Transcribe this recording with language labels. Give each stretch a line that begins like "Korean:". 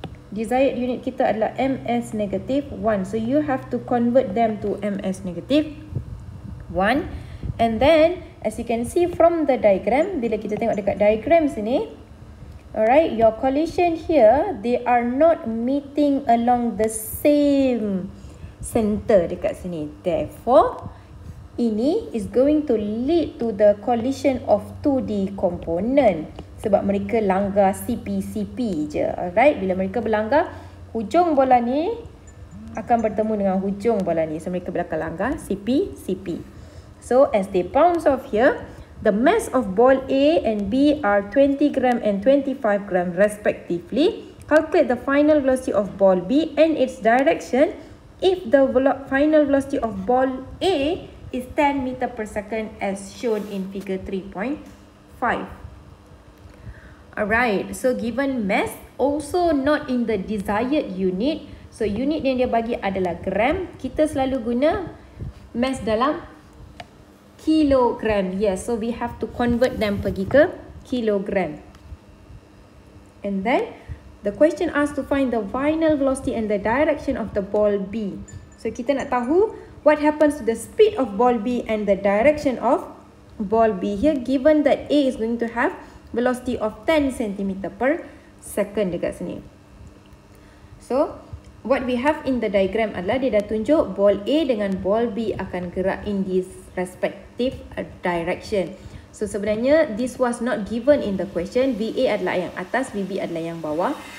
English: Desired unit
Malay: kita adalah
English: ms negative 1. So, you have to convert them to ms negative 1. And then, as you can see from the diagram,
Malay: bila kita tengok dekat diagram sini,
English: alright, your collision here, they are not meeting along the same center
Malay: dekat sini.
English: Therefore,
Malay: ini
English: is going to lead to the collision of 2D component.
Malay: Sebab mereka langgar CP-CP je.
English: Alright,
Malay: bila mereka berlanggar, hujung bola ni akan bertemu dengan hujung bola ni. So, mereka akan langgar CP-CP.
English: So, as they bounce off here, the mass of ball A and B are 20 gram and 25 gram respectively. Calculate the final velocity of ball B and its direction if the final velocity of ball A is 10 meter per second as shown in figure 3.5. Alright, so given mass, also not in the desired unit.
Malay: So unit yang dia bagi adalah gram. Kita selalu guna mass dalam kilogram.
English: Yes, so we have to convert them
Malay: pergi ke
English: kilogram. And then the question asks to find the final velocity and the direction of the ball B. So
Malay: kita nak tahu
English: what happens to the speed of ball B and the direction of ball B here, given that A is going to have velocity of 10 cm per second
Malay: dekat sini.
English: So what we have in the diagram
Malay: adalah dia dah tunjuk
English: ball A
Malay: dengan
English: ball B
Malay: akan gerak
English: in this respective direction. So
Malay: sebenarnya
English: this was not given in the question.
Malay: VA adalah yang atas, VB adalah yang bawah.